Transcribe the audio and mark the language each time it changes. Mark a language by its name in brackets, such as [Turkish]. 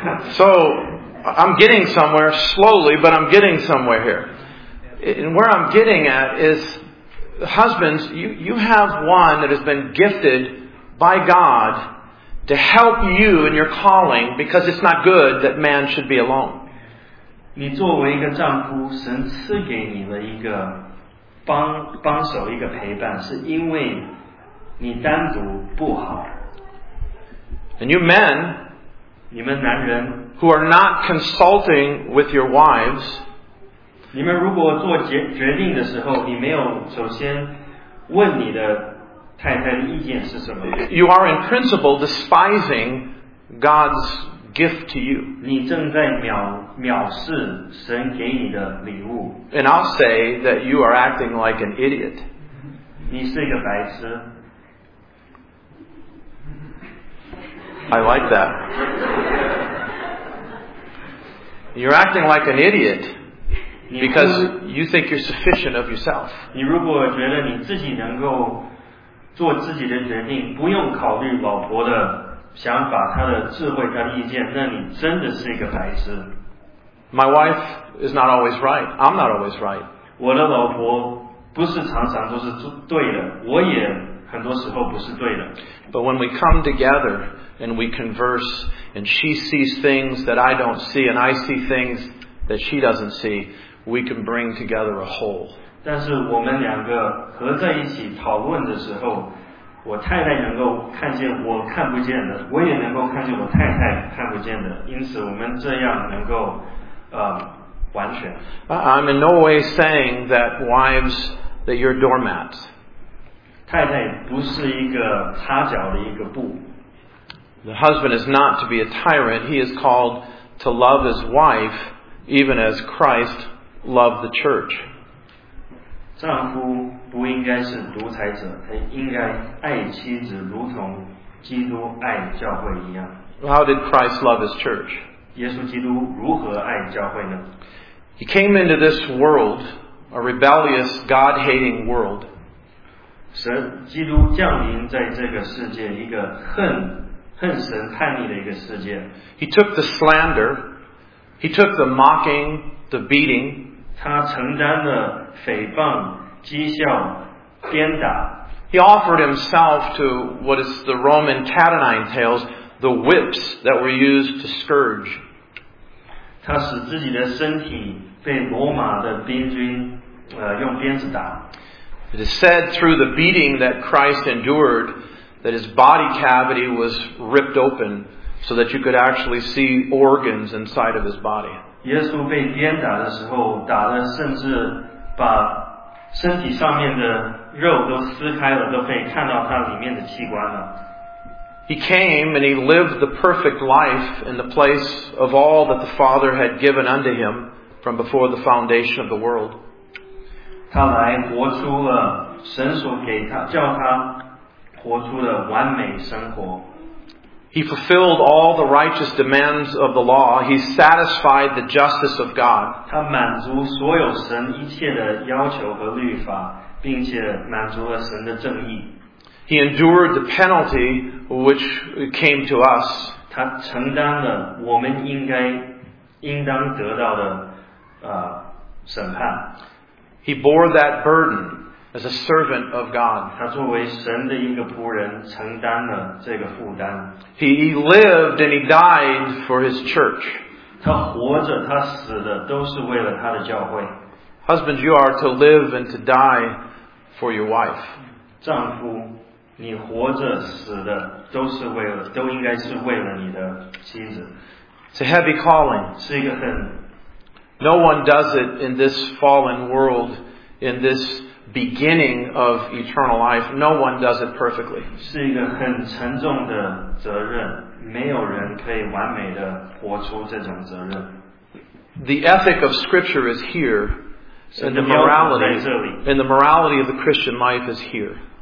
[English] So, I'm getting somewhere slowly, but I'm getting somewhere here. And where I'm getting at is, husbands, you have one that has been gifted by God to help you in your calling because it's not good that man should be alone. [Chinese] 你作为一个丈夫，神赐给你了一个帮手，一个陪伴，是因为你单独不好。 [English] And you men, [Chinese] 你们男人 [English] who are not consulting with your wives, [Chinese] 你们如果做决定的时候，你没有首先问你的太太的意见是什么？ [English] You are in principle despising God's gift to you. [Chinese] 你正在藐视神给你的礼物。 [English] And I'll say that you are acting like an idiot. [Chinese] 你是一个白痴。 [English] I like that. You're acting like an idiot because you think you're sufficient of yourself. [Chinese] 你如果觉得你自己能够做自己的决定，不用考虑老婆的想法，她的智慧，她的意见，那你真的是一个白痴。 [English] My wife is not always right. I'm not always right. [Chinese] 我的老婆不是常常都是对的，我也很多时候不是对的。 [English] But when we come together and we converse, and she sees things that I don't see, and I see things that she doesn't see, we can bring together a whole. [Chinese] 但是我们两个合在一起讨论的时候，我太太能够看见我看不见的，我也能够看见我太太看不见的，因此我们这样能够完全。 [English] I'm in no way saying that wives, that you're doormats. [Chinese] 太太不是一个擦脚的一个布。 [English] The husband is not to be a tyrant. He is called to love his wife, even as Christ loved the church. [Chinese] 丈夫不应该是独裁者，他应该爱妻子，如同基督爱教会一样。 [English] How did Christ love his church? [Chinese] 耶稣基督如何爱教会呢？ [English] He came into this world, a rebellious, God-hating world. [Chinese] 神基督降临在这个世界，一个恨神叛逆的一个世界。 [English] He took the slander, he took the mocking, the beating. [Chinese] 他承担了诽谤、讥笑、鞭打。 [English] He offered himself to what is the Roman cat o' nine tails, the whips that were used to scourge. [Chinese] 他使自己的身体被罗马的兵军用鞭子打。 [English] It is said through the beating that Christ endured,that his body cavity was ripped open so that you could actually see organs inside of his body. [Chinese] 耶稣被鞭打的时候，打得甚至把身体上面的肉都撕开了，都可以看到他里面的器官了。 [English] He came and he lived the perfect life in the place of all that the Father had given unto him from before the foundation of the world. [Chinese] 他来活出了神所给他叫他活出了完美生活。 [English] He fulfilled all the righteous demands of the law. He satisfied the justice of God. [Chinese] 他满足所有神一切的要求和律法，并且满足了神的正义。 [English] He endured the penalty which came to us. [Chinese] 他承担了我们应当得到的审判。 [English] He bore that burden. As a servant of God, [Chinese] 他作为神的一个仆人承担了这个负担。 [English] He lived and he died for his church. [Chinese] 他活着，他死的都是为了他的教会。 [English] Husbands, you are to live and to die for your wife. [Chinese] 丈夫，你活着死的都应该是为了你的妻子。 [English] It's a heavy calling. [Chinese] 是一个很。 [English] No one does it in this fallen world, in this. Beginning of eternal life. No one does it perfectly. [Chinese] 是一个很沉重的责任，没有人可以完美的活出这种责任。 [English] The ethic of Scripture is here, And the morality, and the morality of the Christian life is here.